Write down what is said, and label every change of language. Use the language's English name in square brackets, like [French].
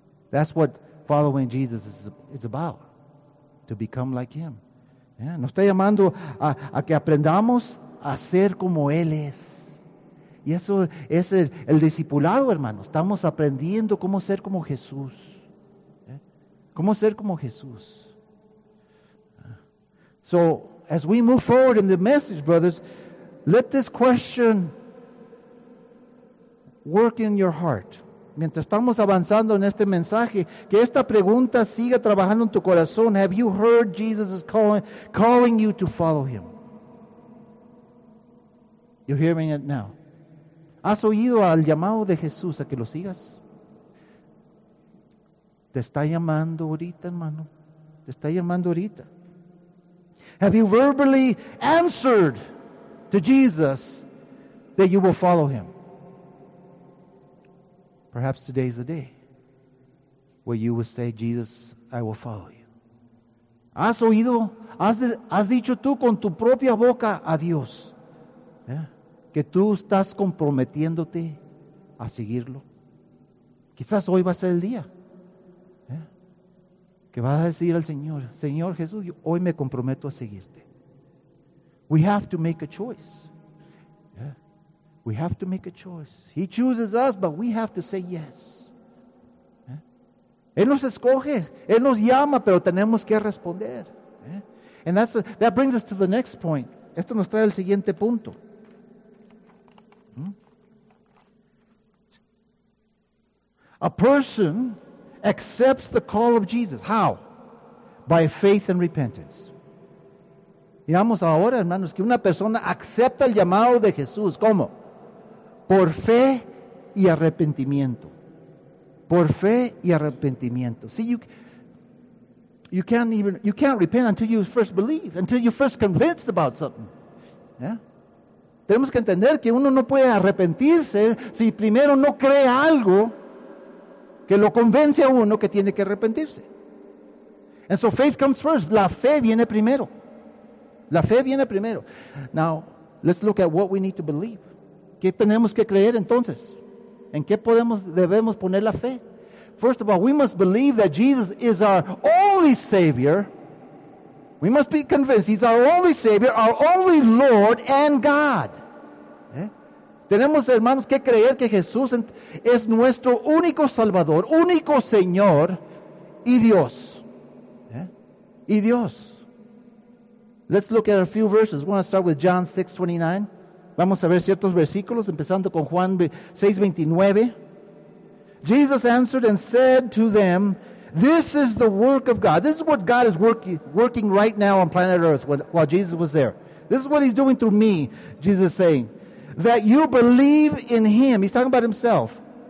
[English] That's what following Jesus is about, to become like him. Yeah. [Spanish] Nos está llamando a que aprendamos a ser como él es. Y eso es el discipulado, hermano. Estamos aprendiendo cómo ser como Jesús. Yeah. Cómo ser como Jesús. [English] So, as we move forward in the message, brothers, let this question work in your heart. [Spanish] Mientras estamos avanzando en este mensaje, que esta pregunta siga trabajando en tu corazón. [English] Have you heard Jesus is calling you to follow him? You're hearing it now. [Spanish] ¿Has oído al llamado de Jesús a que lo sigas? Te está llamando ahorita, hermano. Te está llamando ahorita. [English] Have you verbally answered to Jesus that you will follow him? Perhaps today is the day where you will say, Jesus, I will follow you. [Spanish] ¿Has oído? ¿Has dicho tú con tu propia boca a Dios? ¿Eh? Que tú estás comprometiéndote a seguirlo. Quizás hoy va a ser el día. ¿Eh? Que vas a decir al Señor, Señor Jesús, yo hoy me comprometo a seguirte. [English] We have to make a choice. We have to make a choice. He chooses us, but we have to say yes. [Spanish] ¿Eh? Él nos escoge, Él nos llama, pero tenemos que responder. ¿Eh? [English] And that brings us to the next point. [Spanish] Esto nos trae al siguiente punto. ¿Mm? [English] A person accepts the call of Jesus. How? By faith and repentance. [Spanish] Miramos ahora, hermanos, que una persona acepta el llamado de Jesús. ¿Cómo? Por fe y arrepentimiento. Por fe y arrepentimiento. [English] See, you can't repent until you first believe, until you first convinced about something. Yeah? [Spanish] Tenemos que entender que uno no puede arrepentirse si primero no cree algo que lo convence a uno que tiene que arrepentirse. [English] And so faith comes first. [Spanish] La fe viene primero. La fe viene primero. [English] Now, let's look at what we need to believe. [Spanish] ¿Qué tenemos que creer entonces? ¿En qué debemos poner la fe? [English] First of all, we must believe that Jesus is our only Savior. We must be convinced He's our only Savior, our only Lord and God. [Spanish] ¿Eh? Tenemos, hermanos, que creer que Jesús es nuestro único Salvador, único Señor y Dios. ¿Eh? Y Dios. [English] Let's look at a few verses. We want to start with John 6:29. [Spanish] Vamos a ver ciertos versículos, empezando con Juan 6:29. [English] Jesus answered and said to them, this is the work of God. This is what God is working right now on planet Earth while Jesus was there. This is what he's doing through me, Jesus is saying. That you believe in him. He's talking about himself.